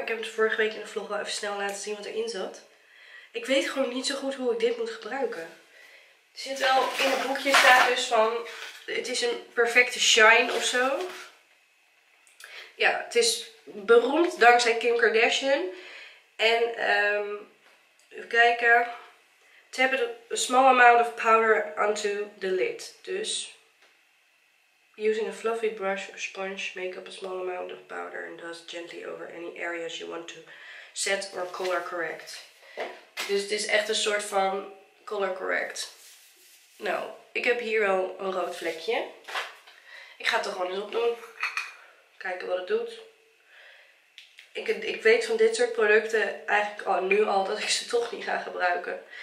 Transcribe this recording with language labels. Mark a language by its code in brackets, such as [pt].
[nl] Ik heb het vorige week in de vlog wel even snel laten zien wat erin zat. Ik weet gewoon niet zo goed hoe ik dit moet gebruiken. Er zit wel in het boekje staat dus van... Het is een perfecte shine of zo. Ja, het is beroemd dankzij Kim Kardashian. En even kijken... [en] Tap it a small amount of powder onto the lid. Dus, using a fluffy brush or sponge, make up a small amount of powder and dust gently over any areas you want to set or color correct. [nl] Dus dit is echt een soort van color correct. Nou, ik heb hier wel een rood vlekje. Ik ga het er gewoon eens op doen. Kijken wat het doet. Ik weet van dit soort producten eigenlijk nu al dat ik ze toch niet ga gebruiken.